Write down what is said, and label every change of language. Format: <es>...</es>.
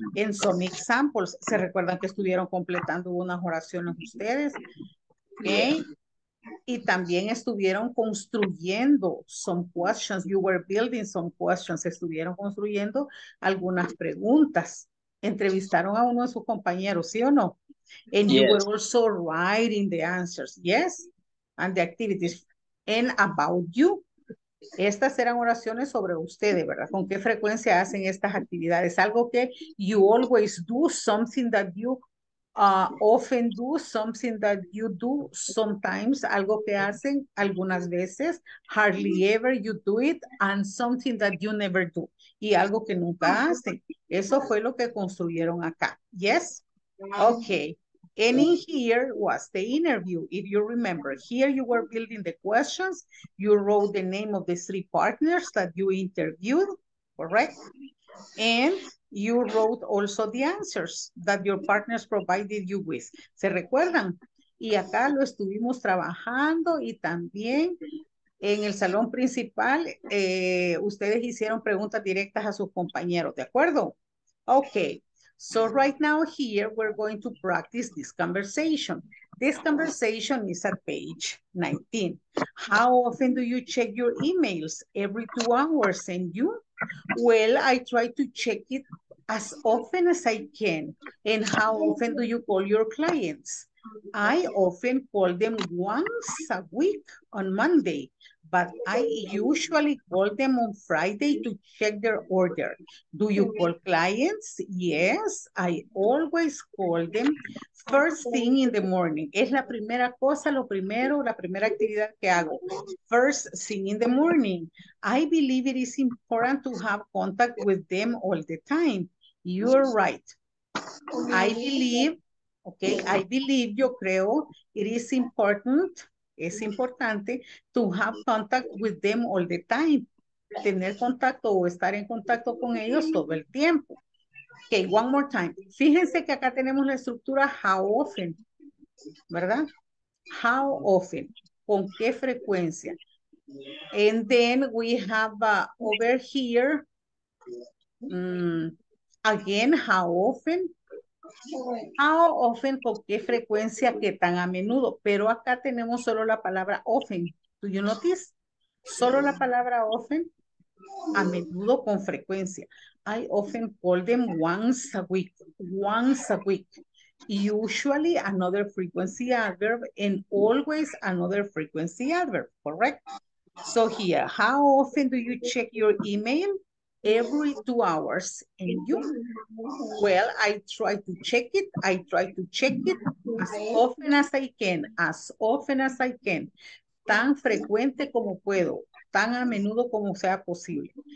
<es>En</es> <en>some examples,</en> <es>¿se recuerdan que estuvieron completando unas oraciones ustedes? Okay. Y también estuvieron construyendo</es> <en>some questions. You were building some questions.</en> <es>Estuvieron construyendo algunas preguntas. Entrevistaron a uno de sus compañeros, ¿sí o no?</es> <en>And yes. You were also writing the answers. Yes. And the activities. And about you.</en> <es>Estas eran oraciones sobre ustedes, ¿verdad? ¿Con qué frecuencia hacen estas actividades? Algo que</es> <en>you always do, something that you often do, something that you do sometimes,</en> <es>algo que hacen algunas veces,</es> <en>hardly ever you do it, and something that you never do,</en> <es>y algo que nunca hacen. Eso fue lo que construyeron acá. Yes? Okay.</es> <en>And in here was the interview. If you remember, here you were building the questions. You wrote the name of the three partners that you interviewed, correct? And you wrote also the answers that your partners provided you with.</en> <es>¿Se recuerdan? Y acá lo estuvimos trabajando y también en el salón principal ustedes hicieron preguntas directas a sus compañeros, ¿de acuerdo?</es> <en>Okay. So right now here we're going to practice this conversation. This conversation is at page 19. How often do you check your emails? Every 2 hours, and you? Well, I try to check it as often as I can. And how often do you call your clients? I often call them once a week on Monday, but I usually call them on Friday to check their order. Do you call clients? Yes, I always call them first thing in the morning.</en> <es>Es la primera cosa, lo primero, la primera actividad que hago.</es> <en>First thing in the morning. I believe it is important to have contact with them all the time. You're right. I believe,</en> <es>yo creo,</es> <en>it is important,</en> <es>es importante,</es> <en>to have contact with them all the time.</en> <es>Tener contacto o estar en contacto con ellos todo el tiempo.</es> <en>Okay, one more time.</en> <es>Fíjense que acá tenemos la estructura how often, ¿verdad? How often, con qué frecuencia.</es> <en>And then we have over here, again, how often.</en> <es>How often, con qué frecuencia, qué tan a menudo. Pero acá tenemos solo la palabra often.</es> <en>Do you notice?</en> <es>Solo la palabra often, a menudo, con frecuencia.</es> <en>I often call them once a week. Once a week. Usually another frequency adverb, and always another frequency adverb. Correct? So here, how often do you check your email? Every 2 hours, and you? Well, I try to check it as often as I can, as often as I can,</en> <es>tan frecuente como puedo, tan a menudo como sea posible.</es>